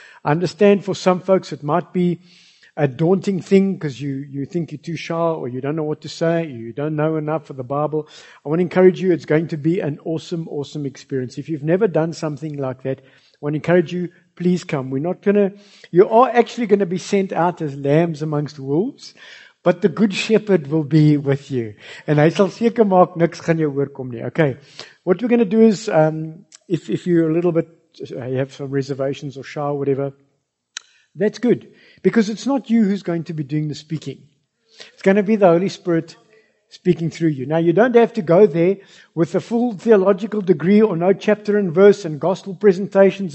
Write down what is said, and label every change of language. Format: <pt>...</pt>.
<en>I understand for some folks it might be a daunting thing because you think you're too shy or you don't know what to say, you don't know enough of the Bible. I want to encourage you, it's going to be an awesome, awesome experience. If you've never done something like that, I want to encourage you, please come. You are actually going to be sent out as lambs amongst wolves. But the good shepherd will be with you.</en> <af>And hy sal seker maak niks gaan jou oorkom nie.</af> <en>Okay. What we're going to do is, if you're a little bit, you have some reservations or shy or whatever, that's good. Because it's not you who's going to be doing the speaking. It's going to be the Holy Spirit speaking through you. Now, you don't have to go there with a full theological degree or no chapter and verse and gospel presentations.</en>